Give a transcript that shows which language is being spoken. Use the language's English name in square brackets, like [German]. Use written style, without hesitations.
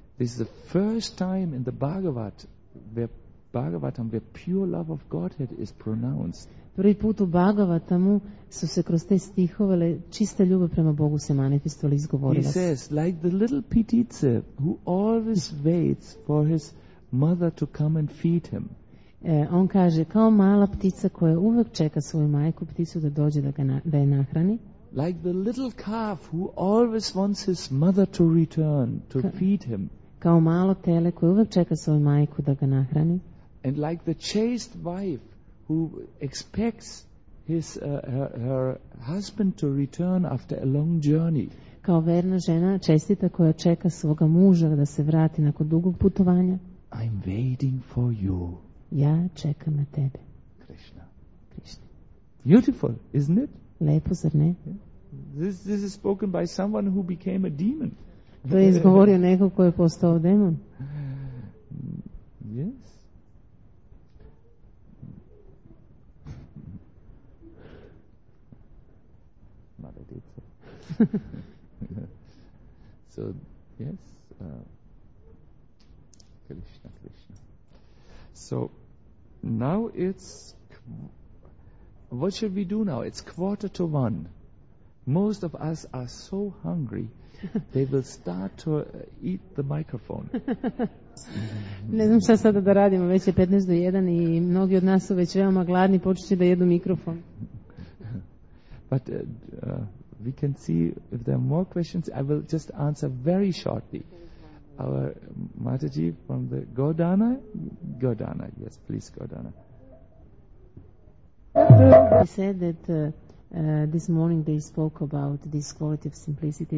[English] This is the first time in the Bhagavat where Bhagavatam where pure love of Godhead is pronounced. [Serbian] Prvi put u Bhagavatamu su se kroz te stihove čista ljubav prema Bogu se manifestovala, izgovorila. [English] He says, like the little petitze who always waits for his mother to come and feed him. [Serbian] On kaže, kao mala ptica koja uvek čeka svoju majku pticu da dođe da, ga na, da je nahrani. [English] Like the little calf who always wants his mother to return to feed him. [Serbian] Kao malo tele koje uvek čeka svoju majku da ga nahrani. [English] And like the chaste wife who expects his her husband to return after a long journey. [Serbian] Kao verna žena čestita koja čeka svoga muža da se vrati nakon dugog putovanja. [English] I'm waiting for you. [Serbian] Ja čekam na tebe. [English] Krishna. [Serbian] Krishna. [English] Beautiful, isn't it? [Serbian] Lepo, zar ne? [English] This is spoken by someone who became a demon. [Serbian] To je izgovorio neko ko je postao demon. [English] Yes. Maledica. So, yes. Krishna, Krishna. So, now it's... What should we do now? It's 12:15. Most of us are so hungry, they will start to eat the microphone. [Serbian] Ne znam šta sada da radimo, već je 12:15 i mnogi od nas su već veoma gladni, počući da jedu mikrofon. [English] But we can see if there are more questions. I will just answer very shortly. Our Mataji from the Godana? Godana, yes, please, Godana. He said that this morning they spoke about this quality of simplicity.